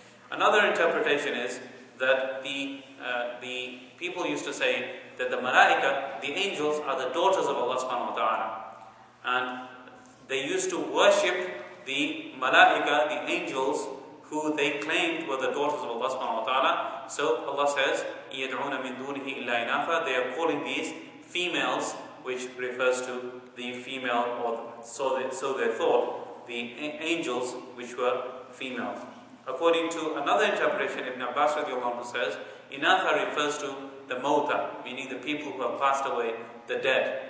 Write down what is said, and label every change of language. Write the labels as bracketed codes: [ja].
[en] Another interpretation is that the people used to say that the malaika, the angels, are the daughters of Allah subhanahu wa ta'ala. And they used to worship the malaika, the angels, who they claimed were the daughters of Allah subhanahu wa ta'ala. So Allah says, [ar] يَدْعُونَ مِن دُونِهِ إِلَّا إِنَاثًا. [en] They are calling these females, which refers to the female, or so they thought, the angels, which were females. According to another interpretation, Ibn Abbas radiallahu anhu says, Inatha refers to the mawta, meaning the people who have passed away, the dead.